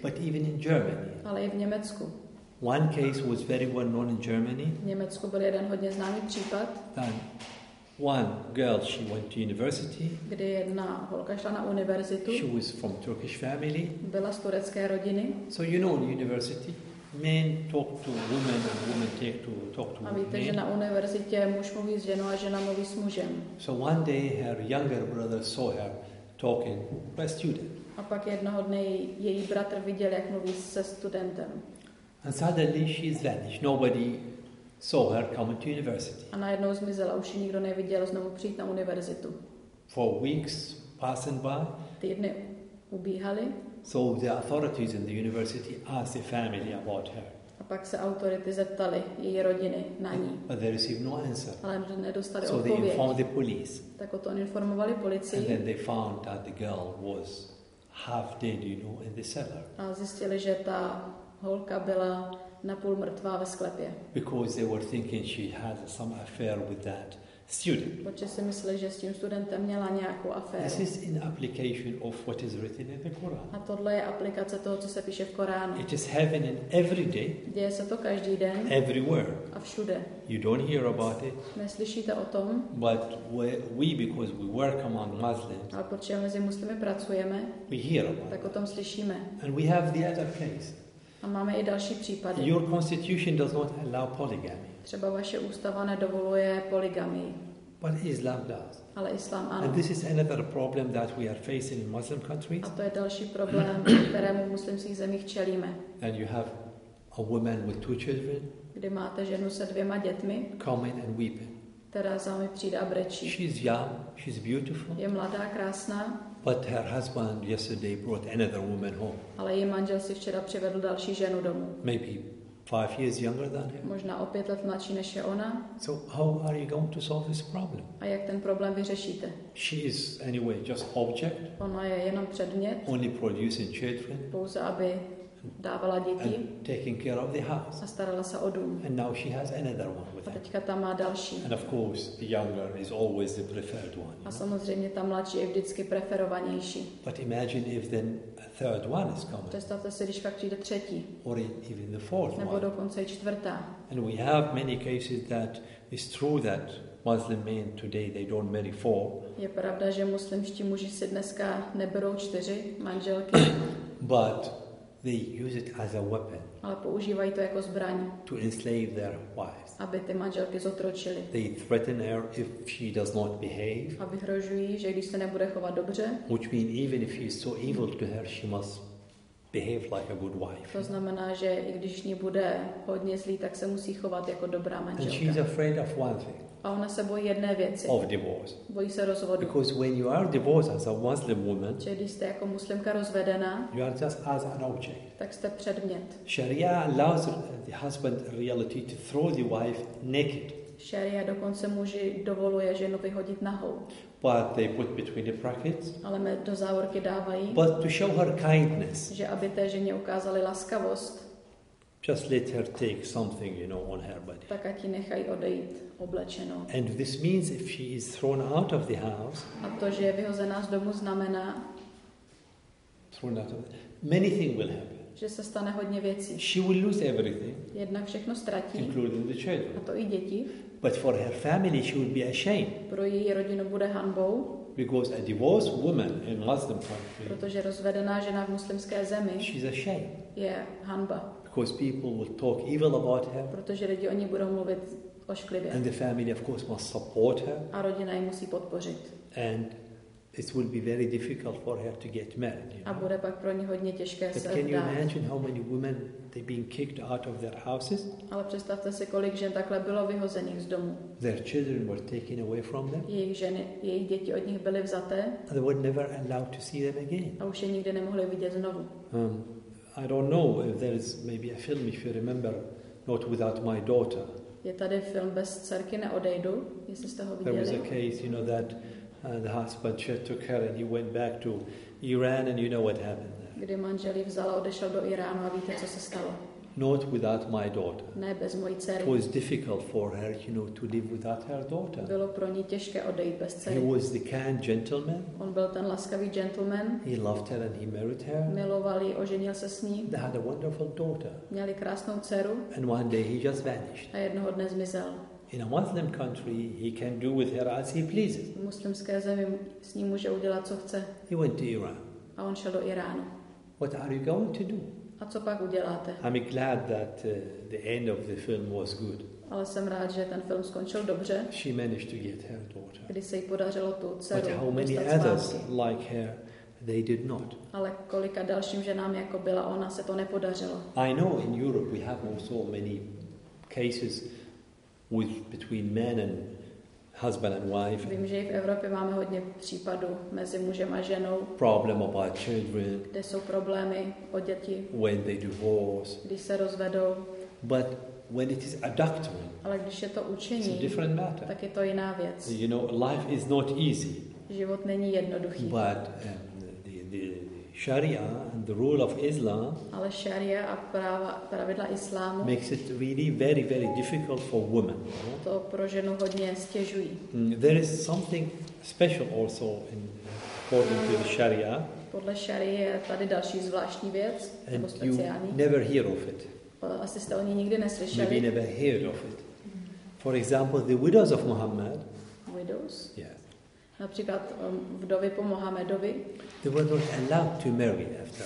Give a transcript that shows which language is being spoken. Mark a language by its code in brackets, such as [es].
[en] But even in Germany. [cs] Ale i v Německu. [en] One case was very well known in Germany. [cs] V Německu byl jeden hodně známý případ. [en] Then one girl, she went to university. [cs] Kdy jedna holka šla na univerzitu. [en] She was from Turkish family. [cs] Byla z turecké rodiny. [en] So you know, in university. Men talk to women and women take to talk to men. [cs] A víte, [en] men. [cs] Že na univerzitě muž mluví s ženou a žena mluví s mužem. [en] So one day her younger brother saw her talking to a student. [cs] A pak jednoho dne její bratr viděl, jak mluví se studentem. [en] And suddenly she vanished. Nobody saw her coming to university. [cs] A najednou zmizela, už ji nikdo neviděl znovu přijít na univerzitu. [en] For weeks passing by. [cs] Týdny ubíhaly. [en] So the authorities in the university asked the family about her. [cs] A pak se autority zeptali její rodiny na ní. [en] But they received no answer. [cs] Ale nedostali odpověď. [en] So they informed the police. [cs] Tak o to informovali policii. [en] And then they found that the girl was half dead, you know, in the cellar. [cs] A zjistili, že ta holka byla napůl mrtvá ve sklepě. [en] Because they were thinking she had some affair with that student. [cs] Protože si mysleli, že s tím studentem měla nějakou aféru. [en] This is an application of what is written in the Quran. [cs] A tohle je aplikace toho, co se píše v Koránu. [en] It is heaven in every day. [cs] Děje se to každý den. [en] Everywhere. [cs] A všude. [en] You don't hear about it. [cs] Neslyšíte o tom. [en] But we because we work among Muslims. [cs] Ale protože mezi muslimy pracujeme. [en] We hear about [cs] tak o tom slyšíme. [en] And we have the other case. [cs] A máme i další případy. [en] Your constitution does not allow polygamy. [cs] Třeba vaše ústava nedovoluje poligamii. [en] But Islam does. [cs] Ale Islám ano. [en] And this is another problem that we are facing in Muslim countries. [cs] A to je další problém, kterému v muslimských zemích čelíme. [en] And you have a woman with 2 children. [cs] Kdy máte ženu se 2 dětmi. [en] Coming and weeping. [cs] Která za mi přijde a brečí. [en] She's young, she's beautiful. [cs] Je mladá, krásná. [en] But her husband yesterday brought another woman home. [cs] Ale její manžel si včera přivedl další ženu domů. [en] Maybe 5 years younger than him. [cs] Možná o 5 let mladší než je ona. [en] So how are you going to solve this problem? [cs] A jak ten problém vyřešíte? [en] She is anyway just object. [cs] Ona je jenom předmět. [en] Only producing children. [cs] Pouze aby dávala děti. [en] And taking care of the house. [cs] A starala se o dům. [en] And now she has another one with her. [cs] A teďka tam má další. [en] And of course, the younger is always the preferred one. [cs] A samozřejmě ta mladší je vždycky preferovanější. [en] But imagine if then a third one is coming. [cs] Představte si, když pak přijde třetí. [en] Or even the fourth one. [cs] Nebo dokonce čtvrtá. [en] And we have many cases that it's true that Muslim men today they don't marry four. [cs] Je pravda, že muslimští muži si dneska neberou 4 manželky. [en] But they use it as a weapon. [cs] Ale používají to jako zbraň. [en] To enslave their wives. [cs] Aby ty manželky zotročili. [en] They threaten her if she does not behave. [cs] Aby hrožují, že když se nebude chovat dobře. [en] Which means even if he is so evil to her, she must behave like a good wife. [cs] To znamená, že i když ní bude hodně zlý, tak se musí chovat jako dobrá manželka. [en] And she is afraid of one thing. [cs] A ona se bojí jedné věci. [en] Of divorce. [cs] Bojí se rozvodu. [en] Because when you are divorced as a Muslim woman, [cs] že když jste jako muslimka rozvedena, [en] you are just as an object. [cs] Tak jste předmět. [en] Sharia allows the husband in reality to throw the wife naked. [cs] Sharia dokonce muži dovoluje ženu vyhodit nahou. [en] But they put between the brackets. [cs] Ale do závorky dávají. [en] But to show her kindness. [cs] Že aby té ženě ukázali laskavost. [en] Just let her take something, you know, on her body. [cs] Tak ať ji nechají odejít oblečenou. [en] And this means if she is thrown out of the house. [cs] A to, že je vyhozená z domu, znamená. [en] Thrown out of the house. Many things will happen. [cs] Že se stane hodně věcí. [en] She will lose everything. [cs] Jednak všechno ztratí. [en] Including the children. [cs] A to i děti. [en] But for her family, she will be ashamed. [cs] Pro její rodinu bude hanbou. [en] Because a divorced woman in Muslim country. [cs] Protože rozvedená žena v muslimské zemi. [en] She's ashamed. [cs] Je hanba. [en] Because people will talk evil about her. [cs] Protože lidi o ní budou mluvit ošklivě. [en] And the family, of course, must support her. [cs] A rodina ji musí podpořit. [en] And it will be very difficult for her to get married. You [cs] a bude pak pro ní hodně těžké se vdát. [en] Can you imagine how many women they being kicked out of their houses? [cs] Ale představte si, kolik žen takhle bylo vyhozených z domu. [en] Their children were taken away from them. [cs] Jejich ženy, jejich děti od nich byly vzaté. [en] And they were never allowed to see them again. [cs] A už je nikdy nemohli vidět znovu. [en] I don't know if there is maybe a film if you remember Not Without My Daughter. [cs] Je tady film Bez dcerky neodejdu, jestli jste ho viděli. [en] There was a case, you know, that the husband took her and he went back to Iran and you know what happened there. [cs] Kdy manžel ji vzal a odešel do Iránu a víte, co se stalo. [en] Not Without My Daughter. [cs] Ne, bez mojí dcery. [en] It was difficult for her, you know, to live without her daughter. [cs] Bylo pro ní těžké odejít bez dcery. [en] He was the kind gentleman. [cs] On byl ten laskavý gentleman. [en] He loved her and he married her. [cs] Miloval ji, oženil se s ní. [en] They had a wonderful daughter. [cs] Měli krásnou dceru. [en] And one day he just vanished. [cs] A jednoho dne zmizel. [en] In a Muslim country, he can do with her as he pleases. [cs] V muslimské zemi s ní může udělat, co chce. [en] He went to Iran. [cs] A on šel do Iránu. [en] What are you going to do? [cs] A co pak uděláte? [en] I'm glad that the end of the film was good. [cs] Ale jsem rád, že ten film skončil dobře. [en] She managed to get her daughter. [cs] Kdy se jí podařilo tu dceru dostat zpátky. [en] But how many others like her, they did not. [cs] Ale kolika dalším ženám, jako byla ona, se to nepodařilo. [en] I know in Europe we have also many cases with between men and husband and wife. [cs] Vím, že i v Evropě máme hodně případů mezi mužem a ženou. [en] Problem about children. [cs] Kde jsou problémy o děti. [en] When they divorce. [cs] Když se rozvedou. [en] But when it is adultery. [cs] Ale když je to učení. [en] It's a different matter. [cs] Tak je to jiná věc. [en] You know, life is not easy. [cs] Život není jednoduchý. [en] But the Sharia and the rule of Islam. [cs] Ale Sharia a pravidla islámu. [en] Makes it really very very difficult for women. [cs] To pro ženu hodně stěžují. [en] There is something special also in according to the Sharia. [cs] Podle Sharia je tady další zvláštní věc. [en] And you never hear of it. [cs] Asi jste o ní nikdy neslyšeli. [en] Maybe never heard of it. For example, the widows of Muhammad. Widows. Yeah. [cs] Například vdovy po Mohamedovi. [en] They were not allowed to marry after.